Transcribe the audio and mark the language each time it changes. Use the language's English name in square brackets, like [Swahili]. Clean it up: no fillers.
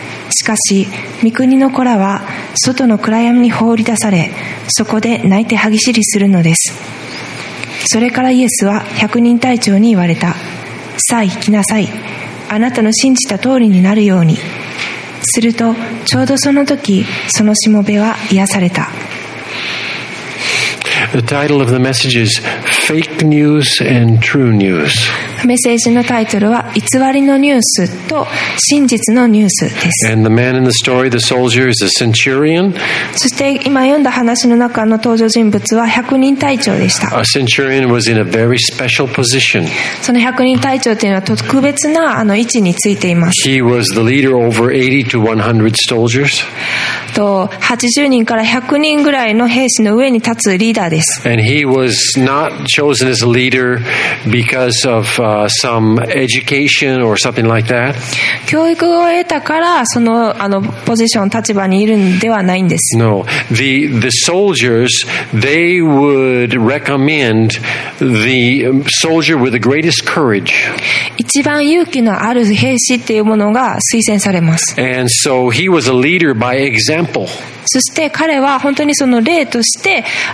[Japanese] しかし御国の子らは外の暗闇に放り出され、そこで泣いて歯ぎしりするのです。それからイエスは百人隊長に言われた。さあ行きなさい、あなたの信じた通りになるように。すると、ちょうどその時そのしもべは癒された。 [English] The title of the message is Fake News and True News. [Japanese] メッセージのタイトルは、偽りのニュースと真実のニュースです。 [English] And the man in the story, the soldier, is a centurion. [Japanese] そして今読んだ話の中の登場人物は百人隊長でした。 [English] A centurion was in a very special position. [Japanese] その百人隊長というのは特別な位置についています。 [English] He was the leader over 80 to 100 soldiers. [Japanese] 80人から100人ぐらいの兵士の上に立つリーダーです。 [English] And he was notChosen as a leader because of some education or something like that. [Japanese] 教育を得たからそのポジション立場にいるんではないんです。 [English] No, the soldiers, they would recommend the soldier with the greatest courage. [Japanese] 一番勇気のある兵士っていうものが推薦されます。 [English] And so he was a leader by example. [Japanese] そして彼は本当にその例としている